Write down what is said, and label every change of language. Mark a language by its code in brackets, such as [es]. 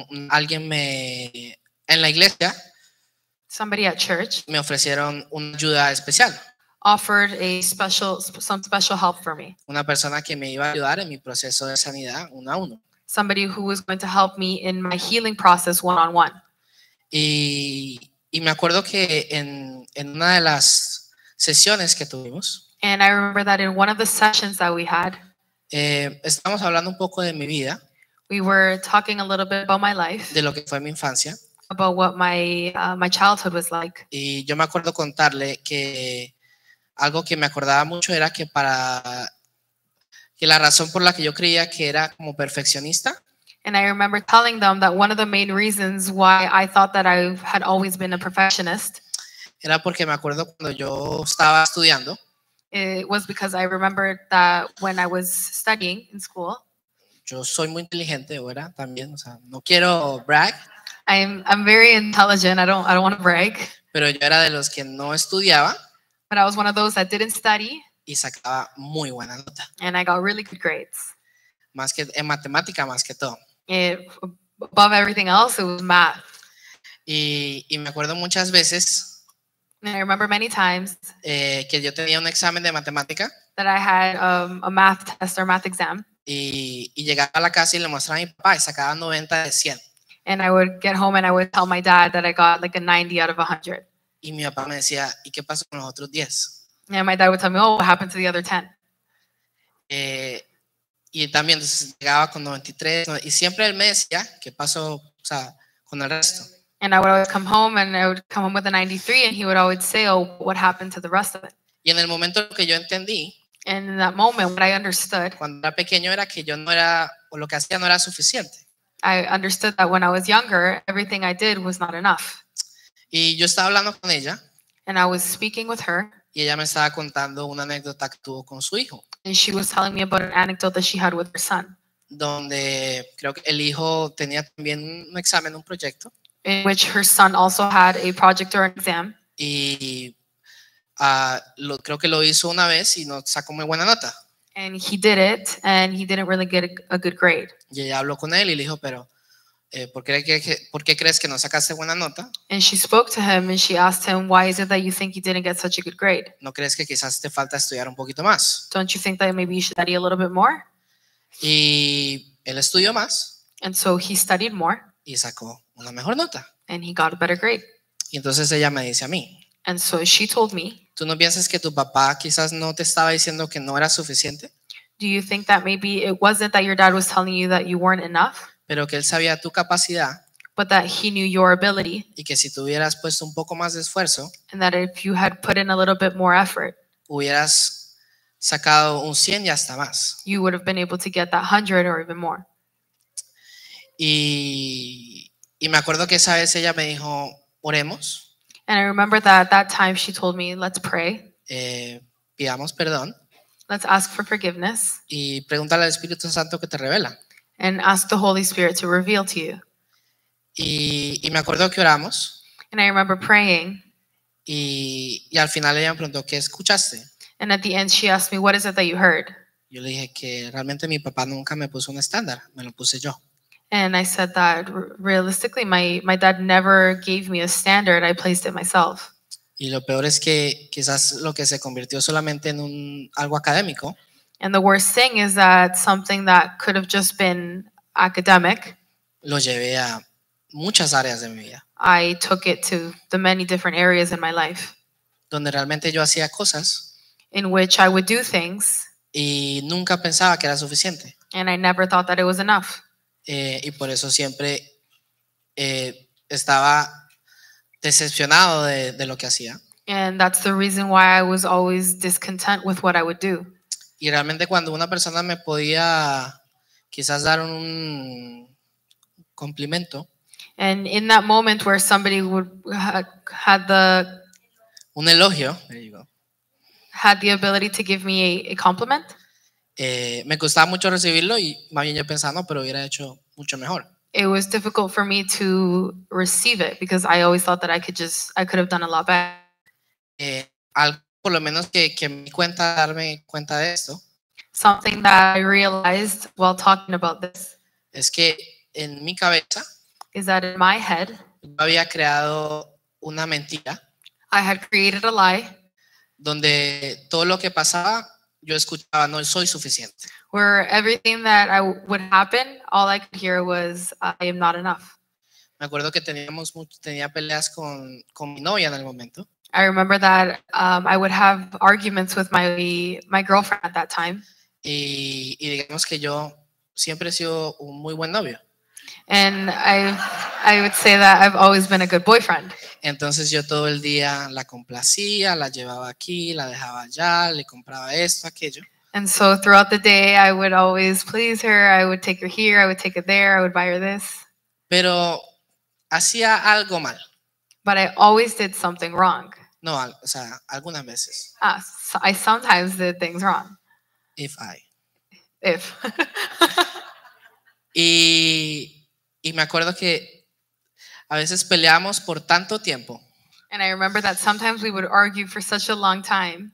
[es] Alguien me en la iglesia. [en] Somebody at church. [es] Me ofrecieron una ayuda especial. [en] Offered some special help for me. [es] Una persona que me iba a ayudar en mi proceso de sanidad uno a uno. [en] Somebody who was going to help me in my healing process one on one. [es] Y me acuerdo que en una de las sesiones que tuvimos. [en] And I remember that in one of the sessions that we had, [es] estamos hablando un poco de mi vida, [en] we were talking a little bit about my life, [es] de lo que fue mi infancia, [en] about what my childhood was like. [es] Y yo me acuerdo contarle que algo que me acordaba mucho era que para que la razón por la que yo creía que era como perfeccionista. [en] And I remember telling them that one of the main reasons why I thought that I had always been a perfectionist. [es] Era porque me acuerdo cuando yo estaba estudiando. [en] It was because I remembered that when I was studying in school. [es] Yo soy muy inteligente, ¿verdad? También, o sea, no quiero [en] brag. I'm very intelligent. I don't want to brag. [es] Pero yo era de los que no estudiaba. [en] But I was one of those that didn't study. [es] Y sacaba muy buena nota. [en] And I got really good grades. [es] Más que en matemática, más que todo. [en] It, above everything else, it was math. [es] Y me acuerdo muchas veces. [en] And I remember many times [es] que yo tenía un examen de matemática. [en] That I had a math test or math exam. [es] Y llegaba a la casa y le mostraba a mi papá y sacaba 90 de 100. [en] And I would get home and I would tell my dad that I got like a 90 out of 100. [es] Y mi papá me decía, ¿y qué pasó con los otros 10? [en] And my dad would tell me, oh, what happened to the other 10? [es] Y también entonces, llegaba con 93. Y siempre él me decía, ¿qué pasó, o sea, con el resto? [en] And I would always come home and I would come home with a 93 and he would always say, oh, what happened to the rest of it? [es] Y en el momento que yo entendí, [en] and in that moment, what I understood, [es] cuando era pequeño era que yo no era, o lo que hacía no era suficiente. [en] I understood that when I was younger, everything I did was not enough. [es] Y yo estaba hablando con ella. [en] And I was speaking with her. [es] Y ella me estaba contando una anécdota que tuvo con su hijo. [en] And she was telling me about an anecdote that she had with her son. [es] Donde creo que el hijo tenía también un examen, un proyecto. [en] In which her son also had a project or an exam. [es] Y creo que lo hizo una vez y no sacó muy buena nota. [en] And he did it, and he didn't really get a good grade. [es] Y ella habló con él y le dijo, pero ¿por qué crees que no sacaste buena nota? [en] And she spoke to him and she asked him, why is it that you think you didn't get such a good grade? [es] ¿No crees que quizás te falta estudiar un poquito más? [en] Don't you think that maybe you should study a little bit more? [es] Y él estudió más. [en] And so he studied more. [es] Y sacó una mejor nota. [en] And he got a better grade. [es] Y entonces ella me dice a mí. [en] And so she told me. [es] ¿Tú no piensas que tu papá quizás no te estaba diciendo que no era suficiente? [en] Do you think that maybe it wasn't that your dad was telling you that you weren't enough? [es] Pero que él sabía tu capacidad. [en] But that he knew your ability. [es] Y que si tú hubieras puesto un poco más de esfuerzo. [en] And that if you had put in a little bit more effort. [es] Hubieras sacado un 100 y hasta más. [en] You would have been able to get that 100 or even more. [es] Y me acuerdo que esa vez ella me dijo, oremos. [en] And I remember that at that time she told me, let's pray. [es] Pidamos perdón. [en] Let's ask for forgiveness. [es] Y pregúntale al Espíritu Santo que te revela. [en] And ask the Holy Spirit to reveal to you. [es] Y me acuerdo que oramos. [en] And I remember praying. [es] Y al final ella me preguntó, ¿qué escuchaste? [en] And at the end she asked me, what is it that you heard? [es] Yo le dije que realmente mi papá nunca me puso un estándar, me lo puse yo. [en] And I said that realistically, my dad never gave me a standard, I placed it myself. [es] Y lo peor es que quizás lo que se convirtió solamente en un algo académico. [en] And the worst thing is that something that could have just been academic. [es] Lo llevé a muchas áreas de mi vida. [en] I took it to the many different areas in my life. [es] Donde realmente yo hacía cosas. [en] In which I would do things. [es] Y nunca pensaba que era suficiente. [en] And I never thought that it was enough. [es] Y por eso siempre estaba decepcionado de lo que hacía. [en] And that's the reason why I was always discontent with what I would do. [es] Y realmente cuando una persona me podía quizás dar un cumplimiento. [en] And in that moment where somebody would had the [es] un elogio, [en] there you go. Had the ability to give me a compliment. [es] Me costaba mucho recibirlo y más bien yo pensaba, no, pero hubiera hecho mucho mejor. [en] It was difficult for me to receive it because I always thought that I could have done a lot better. [es] Por lo menos que me cuenta darme cuenta de esto. [en] Something that I realized while talking about this. [es] Es que en mi cabeza. [en] Is that in my head. [es] Yo había creado una mentira. [en] I had created a lie. [es] Donde todo lo que pasaba, yo escuchaba, no soy suficiente. [en] Where everything that would happen, all I could hear was, I am not enough. [es] Me acuerdo que tenía peleas con mi novia en el momento. [en] I remember that I would have arguments with my girlfriend at that time. [es] Y digamos que yo siempre he sido un muy buen novio. [en] And I would say that I've always been a good boyfriend. [es] Entonces yo todo el día la complacía, la llevaba aquí, la dejaba allá, le compraba esto, aquello. [en] And so throughout the day, I would always please her. I would take her here, I would take her there, I would buy her this. [es] Pero hacía algo mal. [en] But I always did something wrong. [es] No, o sea, algunas veces. [en] Ah, so I sometimes did things wrong. If I. If. [es] Y me acuerdo que a veces peleamos por tanto tiempo. [en] And I remember that sometimes we would argue for such a long time.